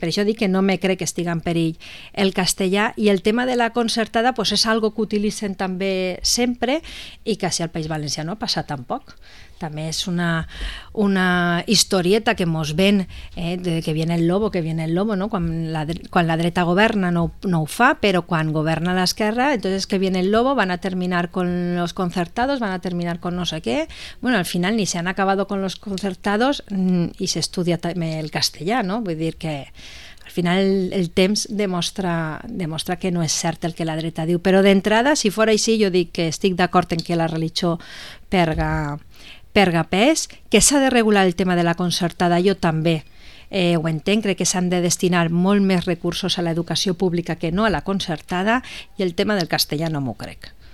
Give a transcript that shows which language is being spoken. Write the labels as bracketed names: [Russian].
[Catalan] Per això dic que no me crec que estigui en perill el castellà, i el tema de la concertada pues és algo que utilitzen també sempre, i que si al País Valencià no passa tampoc. També és una historieta que mos ven, [Spanish] de que viene el lobo, [Catalan] que viene el lobo, no? Quan la dreta governa no ho fa, però quan governa l'esquerra, [Spanish] entonces que viene el lobo, van a terminar con los concertados, van a terminar con no sé què. Bueno, al final ni se han acabado con los concertados y se estudia també el castellà, no? [Catalan] Vull dir que al final el temps demostra que no és cert el que la dreta diu. Però d'entrada, si fora així, jo dic que estic d'acord en que la religió perga pes, que s'ha de regular el tema de la concertada, jo també ho entenc, crec que s'han de destinar molt més recursos a l'educació pública que no a la concertada, i el tema del castellà no m'ho crec.